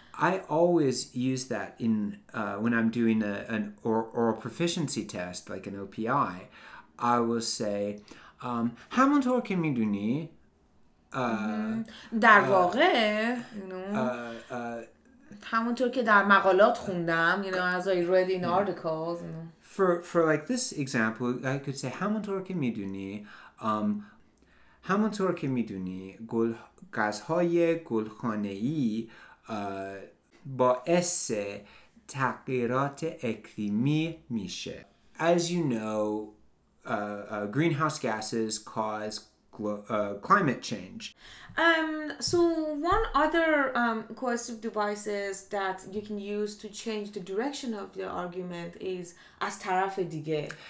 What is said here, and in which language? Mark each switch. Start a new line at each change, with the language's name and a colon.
English: I always use that in when I'm doing an oral proficiency test, like an OPI. I will say,
Persian: همونطور که میدونی, در واقع, همونطور که در مقالات خوندم,
English: you know, as I read in articles, you know. For like this example, I could say,
Persian: همونطور که میدونی, همونطور که میدونی, گازهای گلخانه‌ای باعث تغییرات اقلیمی میشه.
English: As you know, greenhouse gases cause climate change. So one other coercive devices that you can use to change the direction of your argument is
Persian: از طرف دیگه.